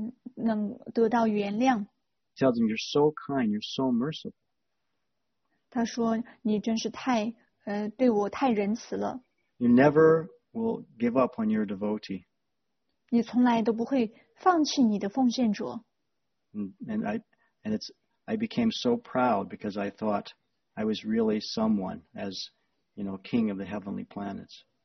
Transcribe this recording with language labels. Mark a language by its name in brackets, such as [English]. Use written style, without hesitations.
[Chinese] 开始向主祈求，能得到原谅。 [English] Tells him, you're so kind, you're so merciful. [Chinese] 他说，你真是太，对我太仁慈了。 [English] You never will give up on your devotee. [Chinese] 你从来都不会放弃你的奉献者。 [English] And I became so proud because I thought I was really someone as, you know, king of the heavenly planets.